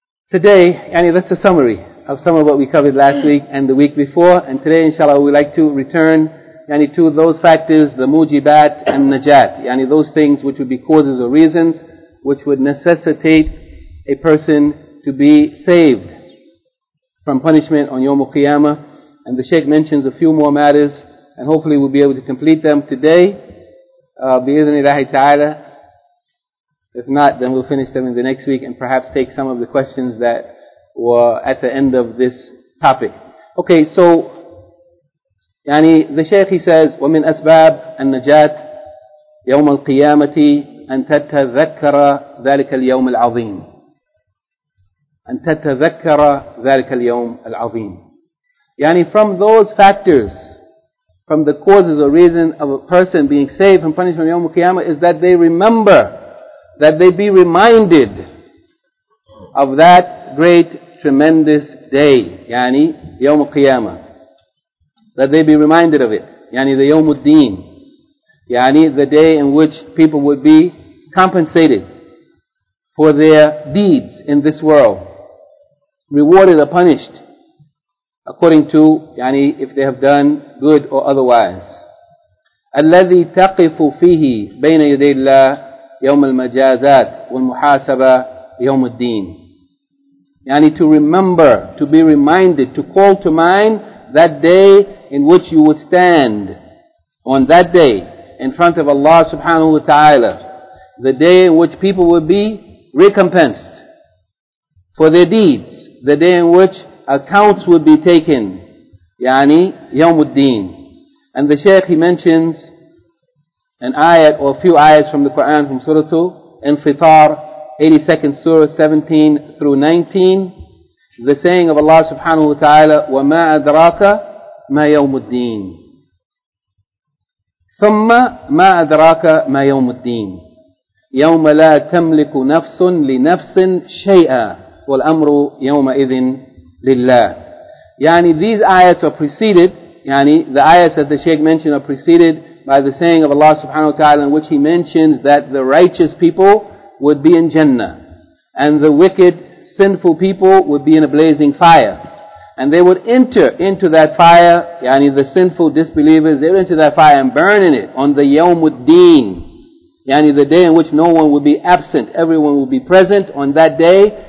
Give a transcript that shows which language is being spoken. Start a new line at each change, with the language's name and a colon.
English: Today, yani that's a summary of some of what we covered last week and the week before, and today inshallah we'd like to return yani to those factors, the mujibat and najat, yani those things which would be causes or reasons which would necessitate a person to be saved from punishment on Yawm al-Qiyamah. And the Shaykh mentions a few more matters, and hopefully we'll be able to complete them today,
Arabic: bi-idhnillahi ta'ala.
English: If not, then we'll finish them in the next week and perhaps take some of the questions that were at the end of this topic. Okay, so yani the Shaykh, he says,
Arabic: وَمِنْ أَسْبَابِ النَّجَاتِ يَوْمَ الْقِيَامَةِ أَن تَتَذَكَّرَ ذَلِكَ الْيَوْمَ الْعَظِيمِ أَن تَتَذَكَّرَ ذَلِكَ الْيَوْمَ الْعَظِيمِ.
English: Yani from those factors, from the causes or reasons of a person being saved from punishment on Yawm al-Qiyamah, is that they remember, that they be reminded of that great, tremendous day, yani Yawm al-Qiyamah. That they be reminded of it, yani the Yawm al-Din, yani the day in which people would be compensated for their deeds in this world, rewarded or punished according to yani if they have done good or otherwise.
Arabic: الذي تقف فيه بين يدي الله يوم المجازات والمحاسبة يوم الدين.
English: Yani to remember, to be reminded, to call to mind that day in which you would stand on that day in front of Allah subhanahu wa ta'ala, the day in which people would be recompensed for their deeds, the day in which accounts would be taken, yani يوم الدين. And the Shaykh, he mentions an ayat or a few ayats from the Quran, from Surah Al-Infitar, 82nd Surah, 17 through 19. The saying of Allah subhanahu wa ta'ala,
Arabic: وَمَا أَدْرَاكَ مَا يَوْمُ الدِّينِ ثُمَّ مَا أَدْرَاكَ مَا يَوْمُ الدِّينِ يَوْمَ لَا تَمْلِكُ نَفْسٌ لِنَفْسٍ شَيْئًا وَالْأَمْرُ يَوْمَئِذٍ لِلَّهِ.
English: Yani these ayats are preceded, yani the ayats that the Shaykh mentioned are preceded by the saying of Allah subhanahu wa ta'ala, in which he mentions that the righteous people would be in Jannah, and the wicked, sinful people would be in a blazing fire. And they would enter into that fire, yani the sinful disbelievers, they would enter that fire and burn in it on the Yawm al-Din, yani the day in which no one would be absent, everyone would be present on that day.